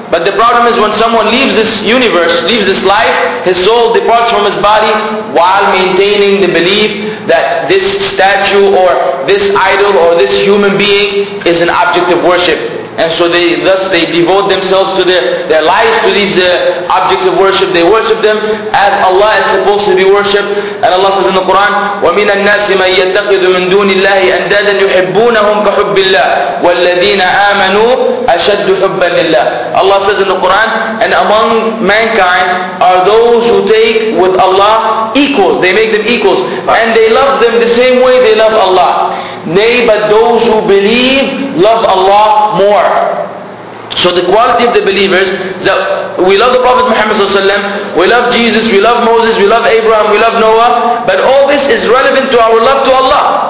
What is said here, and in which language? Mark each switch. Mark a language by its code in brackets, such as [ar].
[en] But the problem is when someone leaves this universe, leaves this life, his soul departs from his body while maintaining the belief that this statue or this idol or this human being is an object of worship. And so they devote themselves to their lives to these objects of worship. They worship them as Allah is supposed to be worshipped. And Allah says in the Quran, [ar] وَمِنَ النَّاسِ مَن يَتَّقِذُ مِن دُونِ اللَّهِ أَنْدَادًا يُحِبُّونَهُمْ كَحُبِّ اللَّهِ وَالَّذِينَ آمَنُوا أَشَدُّ حُبًّا لِلَّهِ. [en] Allah says in the Quran, and among mankind are those who take with Allah equals. They make them equals. And they love them the same way they love Allah. Nay, but those who believe love Allah more. So the quality of the believers, that we love the Prophet Muhammad Sallallahu Alaihi Wasallam, we love Jesus, we love Moses, we love Abraham, we love Noah, but all this is relevant to our love to Allah.